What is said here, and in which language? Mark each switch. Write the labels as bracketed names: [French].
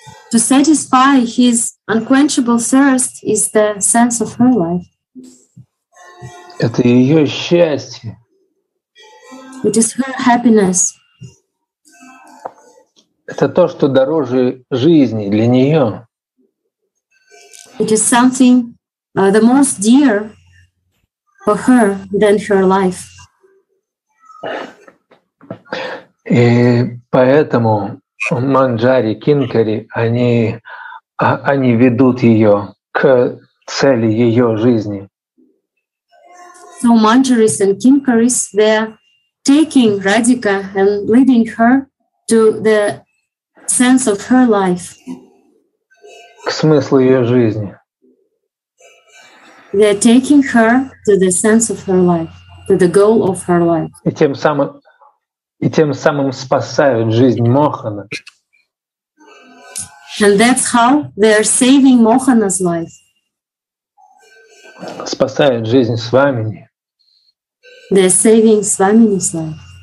[English] To satisfy his unquenchable thirst is the sense of her life. [Russian] Это ее счастье. [English] It is her happiness. [Russian] Это то, что дороже жизни для нее. [English] It is something the most dear for her than her life. [Russian] И поэтому Манджари, Кинкари, они ведут ее к цели ее жизни. [English] So Manjaris and Kinkaris, they're taking Radhika and leading her to the sense of her life. [Russian] К смыслу ее жизни. [English] They're taking her to the sense of her life, to the goal of her life. [Russian] И тем самым спасают жизнь Мохана. [English] And that's how they're saving Mohana's life. [Russian] Спасают жизнь Свамини. [English] They're saving Swamini's life.